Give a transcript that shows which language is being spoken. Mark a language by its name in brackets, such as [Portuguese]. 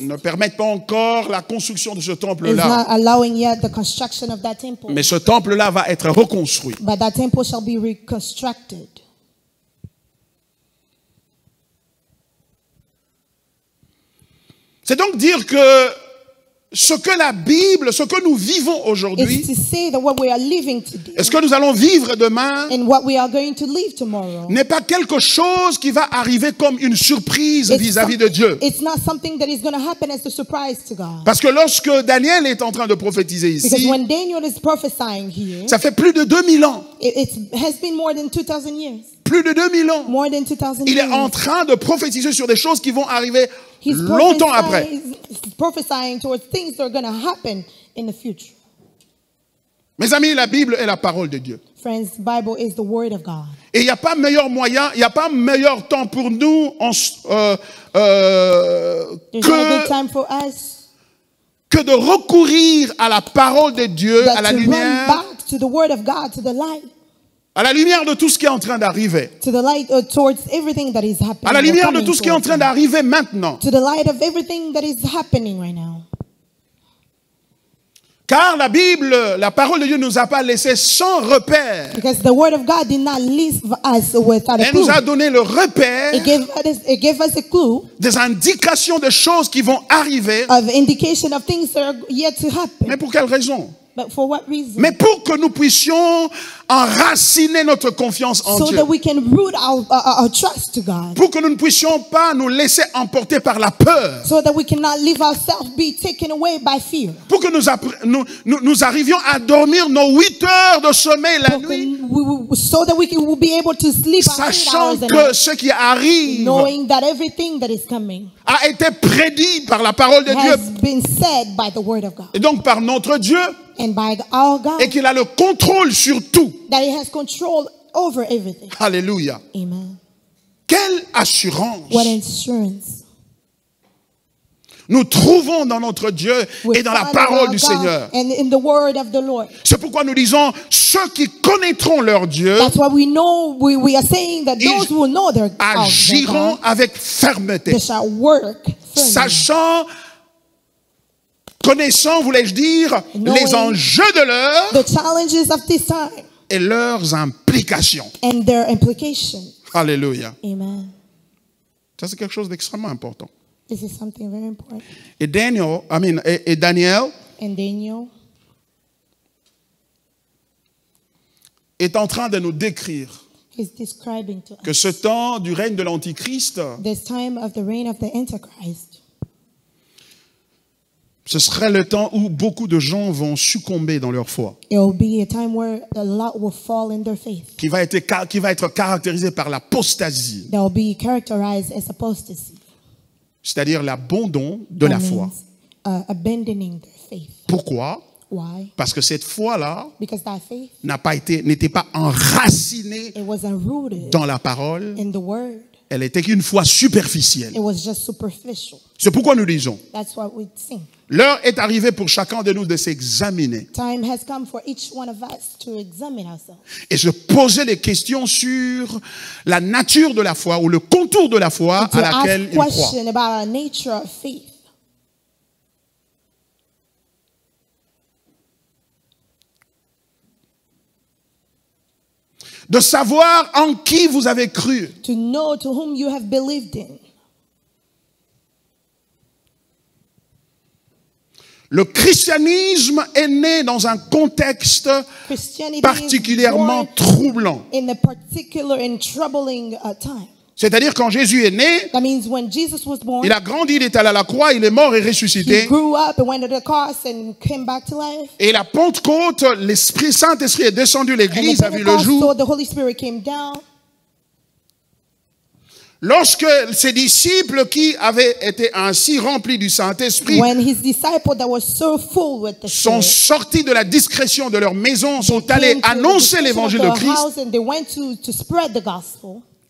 [French] ne permettent pas encore la construction de ce temple-là. [English] Is not allowing yet the construction of that temple. [French] Mais ce temple-là va être reconstruit. [English] But that temple shall be reconstructed. [French] C'est donc dire que ce que la Bible, ce que nous vivons aujourd'hui, est-ce que nous allons vivre demain, [English] and what we are going to live tomorrow, [French] n'est pas quelque chose qui va arriver comme une surprise vis-à-vis de Dieu. [English] It's not something that is going to happen as a surprise to God. [French] Parce que lorsque Daniel est en train de prophétiser ici, [English] because when Daniel is prophesying here, [French] ça fait plus de 2000 ans. [English] It has been more than 2000 years. [French] Plus de 2000 ans. [English] More than 2000 years. [French] Il est en train de prophétiser sur des choses qui vont arriver longtemps après. [English] Prophesying towards things that are going to happen in the future. [French] Mes amis, la Bible est la parole de Dieu. [English] Friends, the Bible is the word of God. [French] Et il n'y a pas meilleur moyen, il n'y a pas meilleur temps pour nous que de recourir à la parole de Dieu, à la lumière. [English] Run back to the word of God, to the light. [French] À la lumière de tout ce qui est en train d'arriver. [English] To the light, towards everything that is happening, [French] à la lumière de tout ce qui est en train d'arriver maintenant. [English] To the light of everything that is happening right now. [French] Car la Bible, la parole de Dieu nous a pas laissé sans repère. [English] Because the word of God did not leave us without a clue. [French] Elle nous a donné le repère. [English] It gave us a clue. [French] Des indications de choses qui vont arriver. [English] Of indication of things that are yet to happen. [French] Mais pour quelle raison? [English] But for what reason? [French] Mais pour que nous puissions enraciner notre confiance en [English] so [French] Dieu. [English] So that we can root our trust to God. [French] Pour que nous ne puissions pas nous laisser emporter par la peur. [English] So that we cannot leave ourselves be taken away by fear. [French] Pour que nous arrivions à dormir nos 8 heures de sommeil la nuit. [English] So that we can we'll be able to sleep our 8 hours. [French] Sachant que ce qui arrive. [English] Knowing that everything that is coming. [French] A été prédit par la parole de Dieu. [English] Has been said by the word of God. [French] Et donc par notre Dieu. [English] And by our God, [French] et qu'il a le contrôle sur tout. [English] That he has control over everything. [French] Alléluia. [English] Amen. [French] Quelle assurance. [English] What assurance. [French] Nous trouvons dans notre Dieu et dans la parole du Seigneur. [English] And in the word of the Lord. [French] C'est pourquoi nous disons ceux qui connaîtront leur Dieu. [English] That's why we know we are saying that those who know their God. [French] Agiront avec fermeté. [English] They shall work firmly. [French] Sachant connaissant, voulais-je dire, [English] knowing [French] les enjeux de l'heure [English] the challenges of this time [French] et leurs implications. [English] And their implications. [French] Alléluia. [English] Amen. [French] Ça, c'est quelque chose d'extrêmement important. [English] This is something very important. [French] Et Daniel, [English] I mean, [French] et Daniel, [English] and Daniel [French] est en train de nous décrire [English] he's describing to [French] que [English] us [French] ce temps du règne de l'Antichrist [English] this time of the reign of the Antichrist. [French] Ce serait le temps où beaucoup de gens vont succomber dans leur foi. Qui va être caractérisé par l'apostasie. [English] They'll be characterized as apostasy. [French] C'est-à-dire l'abandon de la foi. [English] Abandoning their faith. [French] Pourquoi? [English] Why? [French] Parce que cette foi-là [English] because that faith [French] n'était pas enracinée [English] it wasn't rooted [French] dans la parole. [English] In the word. [French] Elle était une foi superficielle. [English] It was just superficial. [French] C'est pourquoi nous disons. [English] That's what we think. [French] L'heure est arrivée pour chacun de nous de s'examiner. [English] Time has come for each one of us to examine ourselves. [French] Et se poser des questions sur la nature de la foi ou le contour de la foi à laquelle il croit. [English] Question about our nature of faith. [French] De savoir en qui vous avez cru. [English] To know to whom you have believed in. [French] Le christianisme est né dans un contexte particulièrement troublant. [English] In a particular and troubling time. [French] C'est-à-dire quand Jésus est né, [English] that means when Jesus was born, [French] il a grandi, il est allé à la croix, il est mort et ressuscité. [English] He grew up and went to the cross and came back to life. [French] Et la Pentecôte, l'Esprit Saint-Esprit est descendu, l'Église [English] and [French] a vu le jour. [English] So the Holy Spirit came down. [French] Lorsque ses disciples qui avaient été ainsi remplis du Saint-Esprit [English] when his disciples that were so full with the Spirit, [French] sont sortis de la discrétion de leur maison, sont allés annoncer l'Évangile de Christ, [English] house and they went to spread the gospel.